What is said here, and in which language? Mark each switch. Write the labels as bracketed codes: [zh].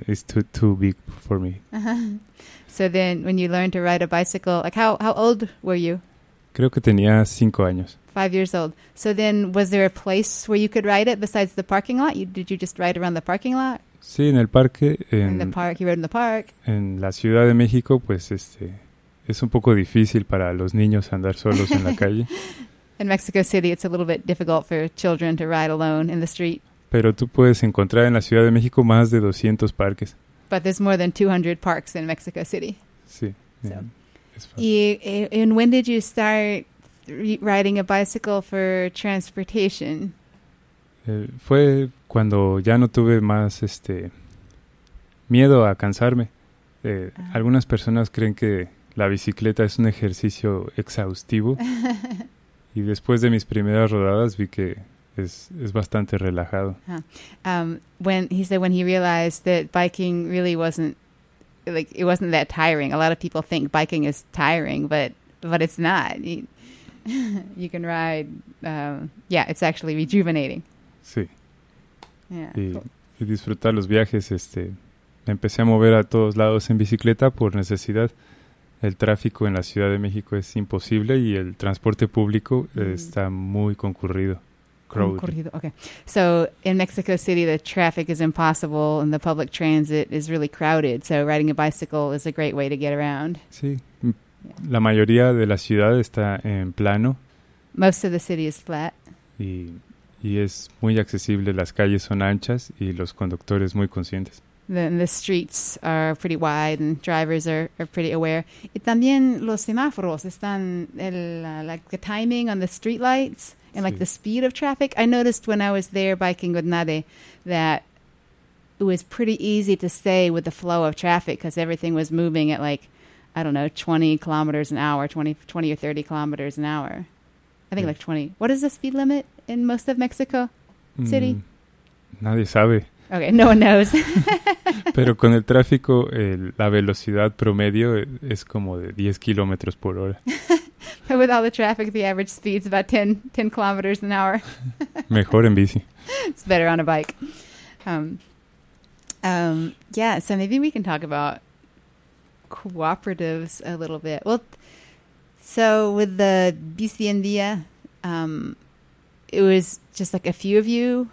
[en] It's too big for me. Uh-huh. So then when you learned to ride a bicycle, how old were you? [es] Creo que tenía 5 años. [en] 5 years old. So then was there a place where you could ride it besides the parking lot? Did you just ride around the parking lot? [es] Sí, en el parque. [en] In the park, you rode in the park. [es] En la Ciudad de México, pues es un poco difícil para los niños andar solos en la calle. [en] In Mexico City, it's a little bit difficult for children to ride alone in the street. [es] Pero tú puedes encontrar en la Ciudad de México más de 200 parques. [en] But there's more than 200 parks in Mexico City. [es] Sí. [en] So. Yeah, and when did you start riding a bicycle for transportation? [es] Fue cuando ya no tuve más miedo a cansarme. Algunas personas creen que la bicicleta es un ejercicio exhaustivo. Y después de mis primeras rodadas vi que es bastante relajado. Huh. [en] When he realized that biking really wasn't that tiring. A lot of people think biking is tiring, but it's not. You can ride. It's actually rejuvenating. [es] Sí. [en] Yeah. [es] Y disfrutar los viajes. Empecé a mover a todos lados en bicicleta por necesidad. El tráfico en la Ciudad de México es imposible y el transporte público está muy concurrido. [en] Okay. So in Mexico City, the traffic is impossible and the public transit is really crowded. So riding a bicycle is a great way to get around. [es] Sí. La mayoría de la ciudad está en plano. [en] Most of the city is flat. [es] Y es muy accesible. Las calles son anchas y los conductores muy conscientes. [en] Then the streets are pretty wide and drivers are pretty aware. [es] Y también los semáforos están, [en] the timing on the street lights. And the speed of traffic, I noticed when I was there biking with Nade that it was pretty easy to stay with the flow of traffic because everything was moving at 20 kilometers an hour, 20 or 30 kilometers an hour. I think 20. What is the speed limit in most of Mexico City? [es] Nadie sabe. [en] Okay, no one knows. [es] Pero con el tráfico, la velocidad promedio es como de 10 kilómetros por hora. [en] But with all the traffic, the average speed is about 10 kilometers an hour. [es] Mejor en bici. [en] It's better on a bike. So maybe we can talk about cooperatives a little bit. Well, so with the Bici en Vía, it was just a few of you.